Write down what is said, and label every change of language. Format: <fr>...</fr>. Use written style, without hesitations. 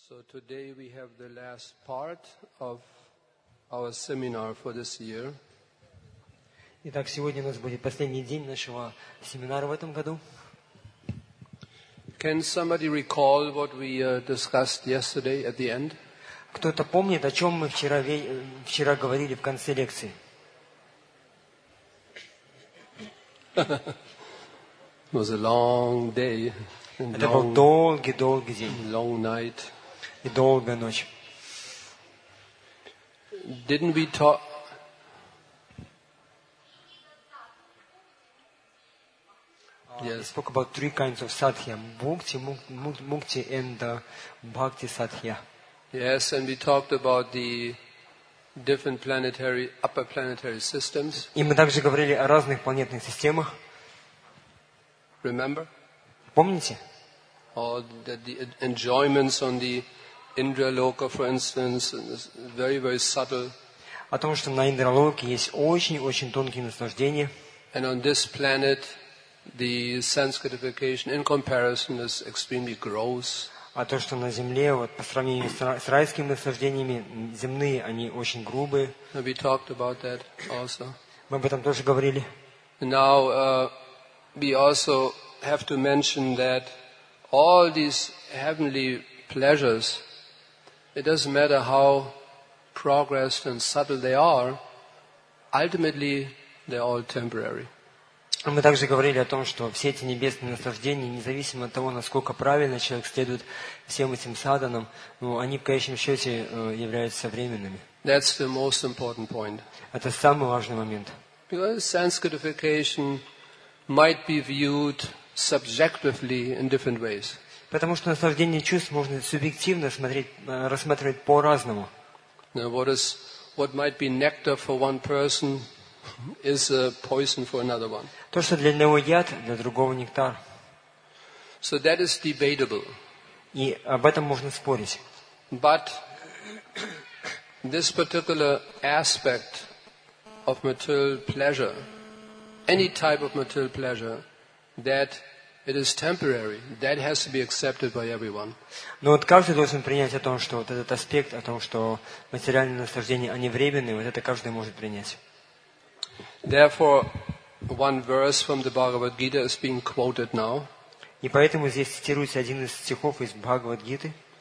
<en>today we have the last part of our seminar for this year.</en> <ru>Итак, сегодня у нас будет последний день нашего семинара в этом году.</ru> <en>Can somebody recall what we discussed yesterday at the end?</en> <ru>Кто-то помнит, о чем мы вчера говорили в конце лекции?</ru> <en>It was a long day.</en> <ru>Это был долгий день.</ru> <en>Long night.</en> <ru>И долгая ночь.</ru> <en>Didn't we talk? Yes. We spoke about three kinds of sadhya: bhukti, mukti, and bhakti sadhya. Yes, and we talked about the different planetary, upper planetary systems.</en> <ru>И мы также говорили о разных планетных системах.</ru> <en>Remember?</en> <ru>Помните?</ru> <en>Or that the enjoyments on the Indraloka, for instance, is very, very subtle.</en> <ru>О том, что на Индралоке есть очень-очень тонкие наслаждения.</ru> <en>And on this planet, the sanctification in comparison is extremely gross.</en> <ru>А то, что на Земле, вот по сравнению с райскими наслаждениями, земные, они очень грубые.</ru> <en>We talked about that also.</en> <ru>Мы об этом тоже говорили.</ru> <en>Now, we also have to mention that all these heavenly pleasures, it doesn't matter how progressed and subtle they are, ultimately they're all temporary.</en> <ru>Мы также говорили о том, что все эти небесные наслаждения, независимо от того, насколько правильно человек следует всем этим садханам, ну, они в конечном счете являются временными.</ru> <en>That's the most important point.</en> <ru>Это самый важный момент.</ru> <en>Because sense gratification might be viewed subjectively in different ways.</en> <ru>Потому что наслаждение чувств можно субъективно смотреть, рассматривать по-разному.</ru> <en>Now, what might be nectar for one person is a poison for another one.</en> <ru>То, что для одного яд, для другого нектар.</ru> <en>So that is debatable.</en> <ru>И об этом можно спорить.</ru> <en>But this particular aspect of material pleasure, any type of material pleasure, that it is temporary, that has to be accepted by everyone.</en> <ru>Но вот каждый должен принять о том, что вот этот аспект, о том, что материальные наслаждения, они временные, вот это каждый может принять.</ru> <en>Therefore, one verse from the Bhagavad Gita is being quoted now.</en> <ru>И поэтому здесь цитируется один из стихов из Бхагавад Гиты.</ru>